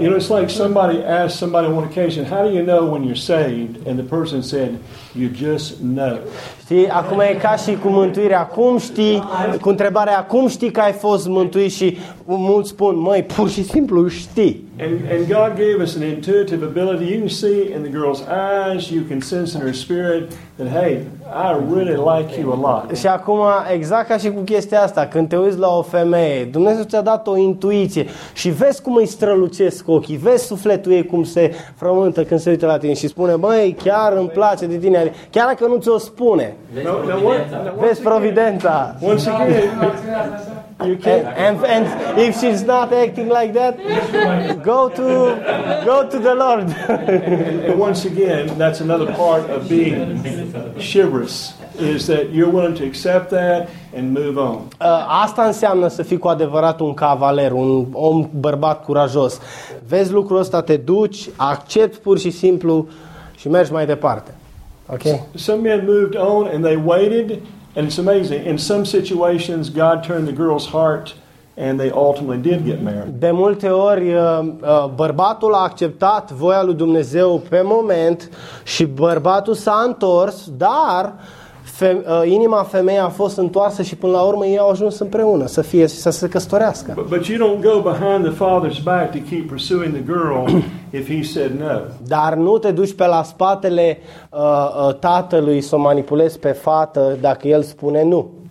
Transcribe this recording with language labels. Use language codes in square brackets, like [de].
[en] You know, it's like somebody asked somebody on one occasion, how do you know when you're saved? And the person said, you just know. [ro] Știi, acum e ca și cu mântuirea, cum știi, cu întrebarea, cum știi că ai fost mântuit și mulți spun, măi, pur și simplu știi. [en] And God gave us an intuitive ability. You can see in the girl's eyes, you can sense in her spirit that, hey, I really like you a lot. [ro] Și acum, exact ca și cu chestia asta, când te uiți la o femeie, Dumnezeu ți-a dat o intuiție și vezi cum îi strălucesc ochii, vezi sufletul ei cum se frământă când se uită la tine și spune, măi, chiar îmi place de tine, chiar dacă nu ți-o spune. Vezi providența. [en] Once again, you can. And if she's not acting like that, go to the Lord. And once again, that's another part of being chivalrous, is that you're willing to accept that and move on. [ro] Asta înseamnă să fii cu adevărat un cavaler, un om bărbat curajos. Vezi lucrul ăsta, te duci, accept pur și simplu și mergi mai departe. [en] Okay? Some men moved on and they waited. And it's amazing. In some situations, God turned the girl's heart, and they ultimately did get married. [ro] De multe ori, bărbatul a acceptat voia lui Dumnezeu pe moment și bărbatul s-a întors, dar inima femeii a fost întoarsă și până la urmă ei au ajuns împreună să fie și să se căsătorească. [en] But you don't go behind the father's back to keep pursuing the girl if he said no. [ro] Dar nu te duci pe la spatele tatălui să o manipulezi pe fată dacă el spune nu.